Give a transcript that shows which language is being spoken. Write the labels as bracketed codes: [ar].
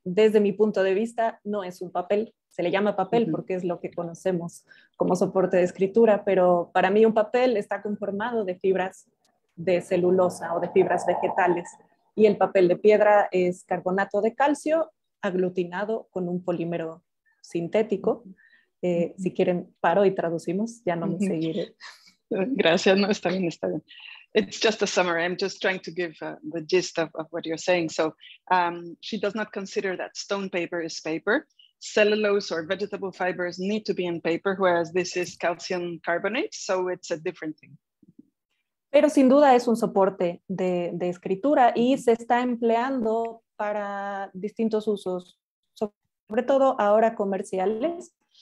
[es] Desde mi punto de vista, no es un papel. Se le llama papel porque es lo que conocemos como soporte de escritura, pero para mí un papel está conformado de fibras de celulosa o de fibras vegetales. Y el papel de piedra es carbonato de calcio aglutinado con un polímero sintético. Si quieren, paro y traducimos, ya no me seguiré. Gracias, no, está bien, está bien. [en] It's just a summary. I'm just trying to give the gist of what you're saying. So she does not consider that stone paper is paper. Cellulose or vegetable fibers need to be in paper, whereas this is calcium carbonate, so it's a different thing. [es] Pero sin duda es un soporte de escritura y se está empleando para distintos usos, sobre todo ahora comerciales.